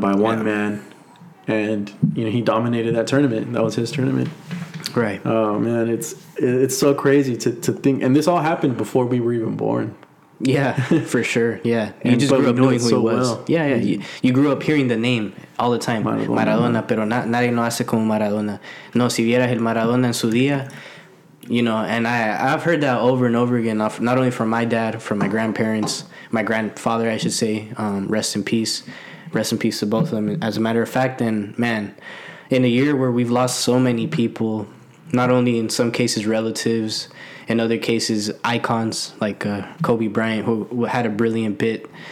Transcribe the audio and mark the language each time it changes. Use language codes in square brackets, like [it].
[en] by one man, And, you know, he dominated that tournament. That was his tournament. Right. Oh, man, it's so crazy to think. And this all happened before we were even born. Yeah, for sure. Yeah. You and, just grew up knowing who he was. Well. Yeah, yeah. You grew up hearing the name all the time. [es] Maradona. Pero nadie no hace como Maradona. No, si vieras el Maradona en su día. [en] You know, and I've heard that over and over again, not only from my dad, from my grandparents, my grandfather, I should say. Rest in peace. Rest in peace to both of them. As a matter of fact, and man, in a year where we've lost so many people, not only in some cases relatives, in other cases icons like Kobe Bryant, who had a brilliant bit.